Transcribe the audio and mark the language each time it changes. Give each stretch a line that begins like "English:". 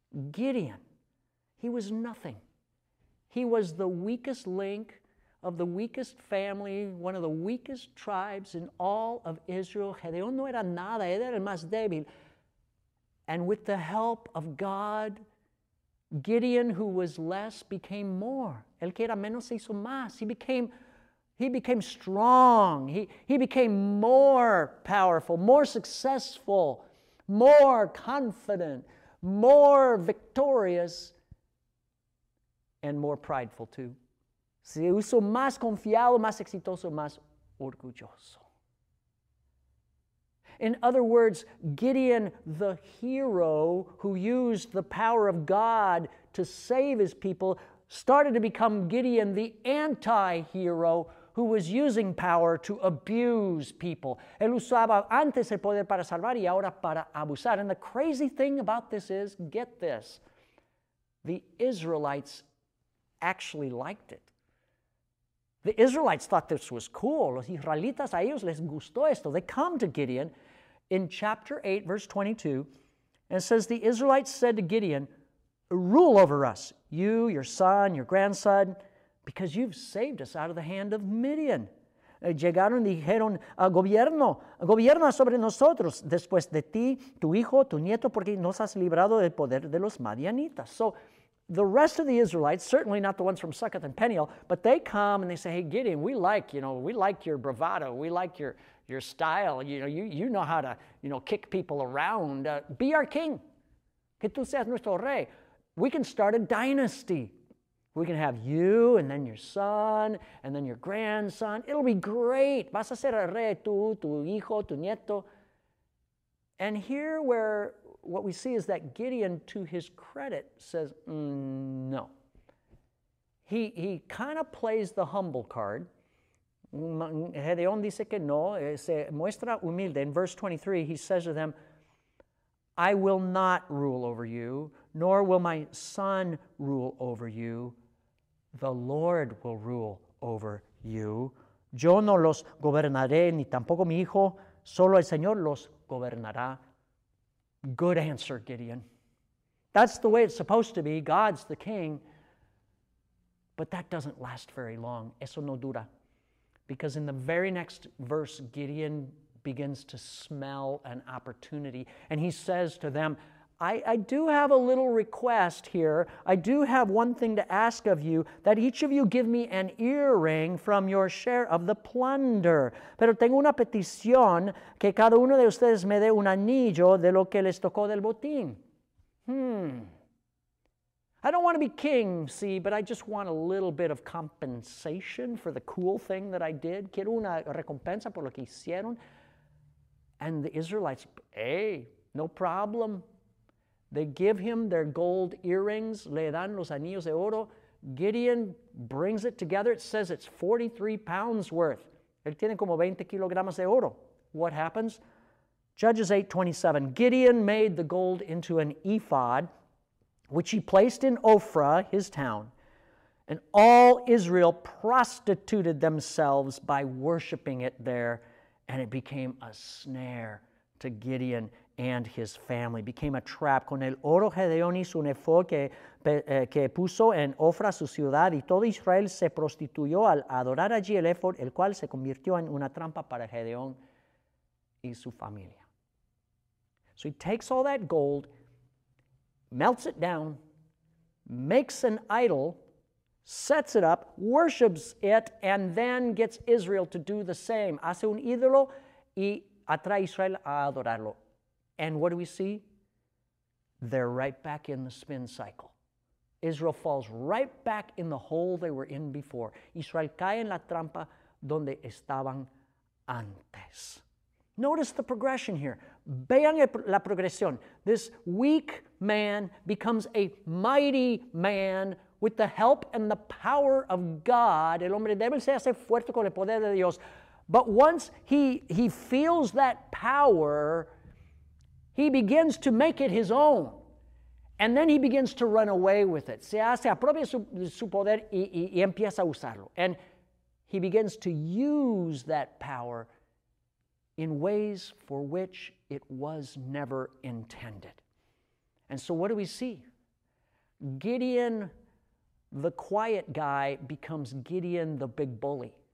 English: Gideon, he was nothing. He was the weakest link of the weakest family, one of the weakest tribes in all of Israel.
Spanish: Gedeón no era nada, él era el más débil.
English: And with the help of God, Gideon, who was less, became more.
Spanish: El que era menos se hizo más.
English: He became strong. He became more powerful, more successful, more confident, more victorious, and more prideful too.
Spanish: Se hizo más confiado, más exitoso, más orgulloso.
English: In other words, Gideon, the hero who used the power of God to save his people, started to become Gideon, the anti-hero who was using power to abuse people.
Spanish: Él usaba antes el poder para salvar y ahora para abusar.
English: And the crazy thing about this is, get this, the Israelites actually liked it. The Israelites thought this was cool.
Spanish: Los israelitas a ellos les gustó esto.
English: They come to Gideon in chapter 8, verse 22, and it says, the Israelites said to Gideon, rule over us, you, your son, your grandson, because you've saved us out of the hand of Midian.
Spanish: Llegaron y dijeron, gobierna sobre nosotros, después de ti, tu hijo, tu nieto, porque nos has librado del poder de los Madianitas.
English: So the rest of the Israelites, certainly not the ones from Succoth and Peniel, but they come and they say, hey, Gideon, we like your bravado, we like your style, you know how to, you know, kick people around. Be our king.
Spanish: Que tú seas nuestro rey.
English: We can start a dynasty. We can have you and then your son and then your grandson. It'll be great.
Spanish: Vas a ser el rey tú, tu hijo, tu nieto.
English: And here where what we see is that Gideon, to his credit, says, no. He kind of plays the humble card.
Spanish: Gedeón dice que no, se muestra humilde.
English: In verse 23, he says to them, I will not rule over you, nor will my son rule over you. The Lord will rule over you.
Spanish: Yo no los gobernaré, ni tampoco mi hijo, solo el Señor los gobernará.
English: Good answer, Gideon. That's the way it's supposed to be. God's the king. But that doesn't last very long.
Spanish: Eso no dura.
English: Because in the very next verse, Gideon begins to smell an opportunity. And he says to them, I do have a little request here. I do have one thing to ask of you, that each of you give me an earring from your share of the plunder.
Spanish: Pero tengo una petición, que cada uno de ustedes me dé un anillo de lo que les tocó del botín.
English: I don't want to be king, see, but I just want a little bit of compensation for the cool thing that I did.
Spanish: Quiero una recompensa por lo que hicieron.
English: And the Israelites, hey, no problem. They give him their gold earrings,
Spanish: le dan los anillos de oro.
English: Gideon brings it together. It says it's 43 pounds worth.
Spanish: Él tiene como 20 kilogramos de oro.
English: What happens? Judges 8:27. Gideon made the gold into an ephod, which he placed in Ophrah, his town. And all Israel prostituted themselves by worshiping it there. And it became a snare to Gideon and his family, became a trap.
Spanish: Con el oro Gedeón hizo un efod que puso en Ofra su ciudad, y todo Israel se prostituyó al adorar allí el efod, el cual se convirtió en una trampa para Gedeón y su familia.
English: So he takes all that gold, melts it down, makes an idol, sets it up, worships it, and then gets Israel to do the same.
Spanish: Hace un ídolo y atrae a Israel a adorarlo.
English: And what do we see? They're right back in the spin cycle. Israel falls right back in the hole they were in before.
Spanish: Israel cae en la trampa donde estaban antes.
English: Notice the progression here.
Spanish: Vean la progresión.
English: This weak man becomes a mighty man with the help and the power of God.
Spanish: El hombre débil se hace fuerte con el poder de Dios.
English: But once he feels that power, he begins to make it his own, and then he begins to run away with it.
Spanish: Se hace apropia su poder y empieza a usarlo.
English: And he begins to use that power in ways for which it was never intended. And so what do we see? Gideon, the quiet guy, becomes Gideon, the big bully.